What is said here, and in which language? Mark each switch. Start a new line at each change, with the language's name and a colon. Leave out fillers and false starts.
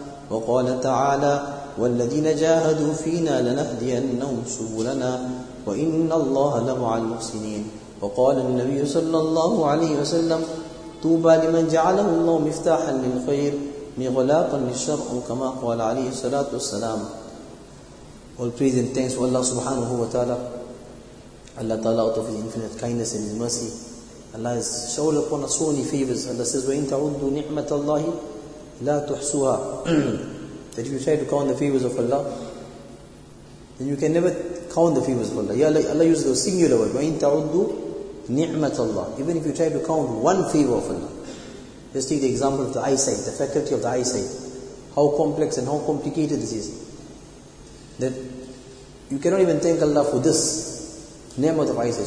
Arabic: وقال تعالى: والذين جاهدوا فينا لنهدينهم سبلنا وإن الله لمع المحسنين. وقال النبي صلى الله عليه وسلم: طوبى لمن جعله الله مفتاحا للخير مغلاقا للشر كما قال عليه الصلاة والسلام.
English: All praise and thanks to Allah subhanahu wa ta'ala. Allah ta'ala, out of His infinite kindness and His mercy, Allah has showered upon us so many favors. Allah says,
Arabic: وَإِن تَعُدُّ نِعْمَةَ اللَّهِ لَا تُحْسُوهَا.
English: That if you try to count the favors of Allah, then you can never count the favors of Allah. Yeah, Allah uses the singular word,
Arabic: وَإِن تَعُدُّ نِعْمَةَ اللَّهِ.
English: Even if you try to count one favor of Allah, just take the example of the eyesight, the faculty of the eyesight, how complex and how complicated this is, that you cannot even thank Allah for this ni'mat of eyesight.